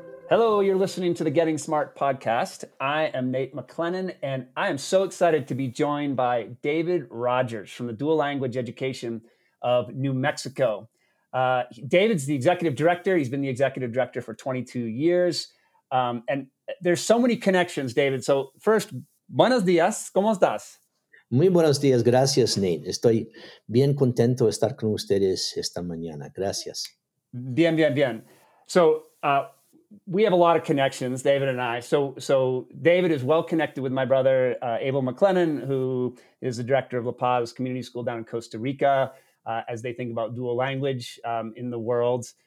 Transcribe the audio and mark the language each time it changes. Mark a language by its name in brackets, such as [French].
[English] Hello, you're listening to the Getting Smart podcast. I am Nate McLennan, and I am so excited to be joined by David Rogers from the Dual Language Education of New Mexico. David's the executive director. He's been the executive director for 22 years. And there's so many connections, David. So first, [Spanish] buenos días. ¿Cómo estás? Muy buenos días. Gracias, Nate. Estoy bien contento de estar con ustedes esta mañana. Gracias. Bien, bien, bien. [English] So we have a lot of connections, David and I. So David is well connected with my brother, Abel McLennan, who is the director of La Paz Community School down in Costa Rica, as they think about dual language in the world.